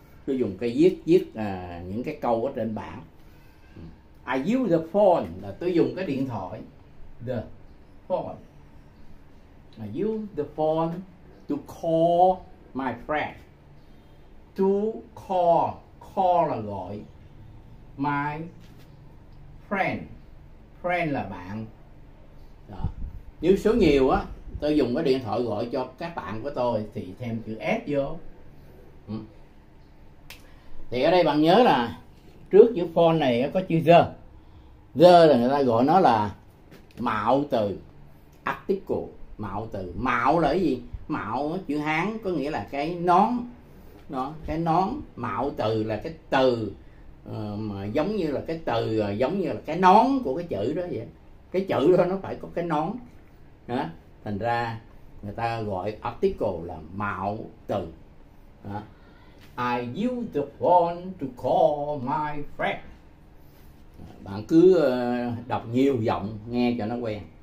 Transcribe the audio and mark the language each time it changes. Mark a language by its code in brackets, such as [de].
[vi] Tôi dùng cái viết những cái câu ở trên bảng. [en] I use the phone [vi] là tôi dùng cái điện thoại. [en] The phone. I use the phone to call my friend. To call. [vi] Call là gọi. [en] My friend. [vi] Friend là bạn. Đó. Nếu số nhiều á, tôi dùng cái điện thoại gọi cho các bạn của tôi thì thêm chữ S vô. Thì ở đây bạn nhớ là trước chữ phone này có chữ the. The là người ta gọi nó là mạo từ. Article, mạo từ. Mạo là cái gì? Mạo chữ Hán có nghĩa là cái nón. nó, cái nón mạo từ là cái từ mà giống như là cái từ giống như là cái nón của cái chữ đó vậy. Cái chữ đó nó phải có cái nón đó. Thành ra người ta gọi article là mạo từ đó. [en] I use the phone to call my friend. [vi] Bạn cứ đọc nhiều giọng nghe cho nó quen.